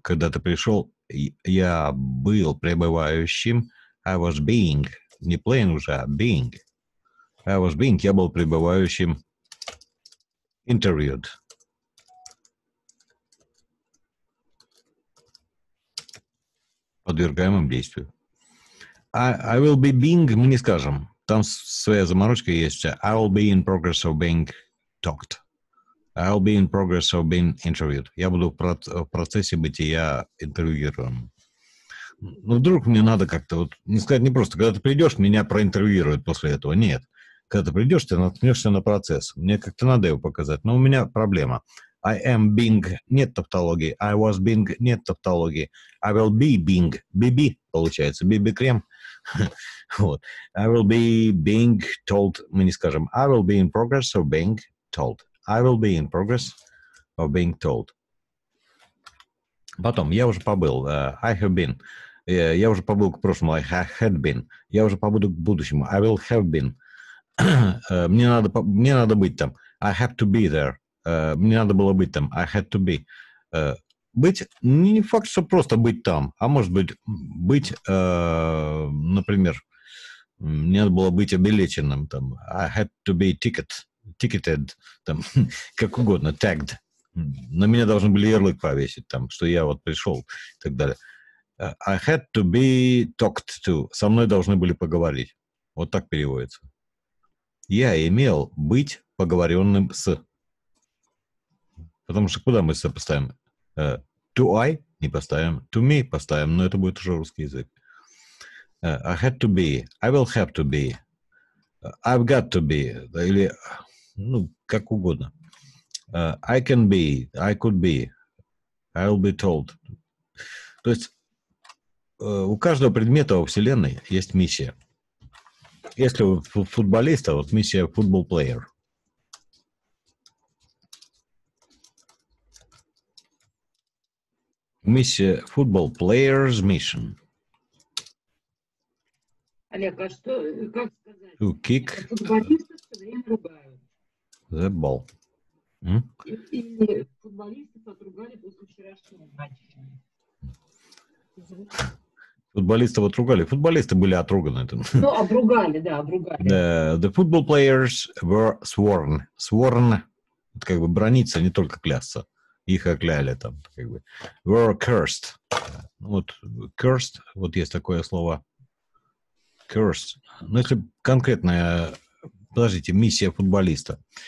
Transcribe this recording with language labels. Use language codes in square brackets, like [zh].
[ru] Когда ты пришел, я был пребывающим. [en] I was being. [ru] Не playing уже, а being. [en] I was being. [ru] Я был пребывающим. [en] Interviewed. [ru] Подвергаемым действию. [en] I will be being, [ru] мы не скажем. Там своя заморочка есть. [en] I will be in progress of being talked. I will be in progress of being interviewed. [ru] Я буду в процессе бытия интервьюируем. Ну, вдруг мне надо как-то вот, не сказать, не просто, когда ты придешь, меня проинтервьюируют после этого. Нет. Когда ты придешь, ты наткнешься на процесс. Мне как-то надо его показать. Но у меня проблема. [en] I am being, [ru] нет тавтологии. [en] I was being, нет тавтологии. I will be being. Би-би, [ru] получается. [en] Би-би-крем. Вот. I will be being told, [ru] мы не скажем. [en] I will be in progress of being told. I will be in progress of being told. [ru] Потом, я уже побыл, [en] I have been, [ru] я уже побыл к прошлому, [en] I had been, [ru] я уже побуду к будущему, [en] I will have been, [ru] мне надо быть там, [en] I have to be there, [ru] мне надо было быть там, [en] I had to be. [ru] Быть, не факт, что просто быть там, а может быть, например, мне надо было быть обелеченным там, [en] I had to be ticketed, [ru] там, как угодно, tagged. На меня должны были ярлык повесить, там, что я вот пришел и так далее. [en] I had to be talked to. [ru] Со мной должны были поговорить. Вот так переводится. Я имел быть поговоренным с. Потому что куда мы сопоставим? To I не поставим, to me поставим, но это будет уже русский язык. [en] I had to be, I will have to be, I've got to be, [ru] да, или, ну, как угодно. [en] I can be, I could be, I'll be told. [ru] То есть у каждого предмета во Вселенной есть миссия. Если у футболиста, вот миссия football player. [en] Миссия football player's mission. [ru] Олег, а что, как сказать? [en] To kick. [ru] Футболистов все время ругают. [en] The ball. [ru] И футболистов отругали после вчерашнего матча. Футболистов отругали. Футболисты были отруганы. Ну, отругали, да, отругали. [en] The football players were sworn. Sworn. [ru] Это как бы брониться, не только клясться. Их окляли там. Как бы. [en] Were cursed. [ru] Вот cursed, вот есть такое слово. [en] Cursed. [ru] Ну, если конкретная, подождите, миссия футболиста.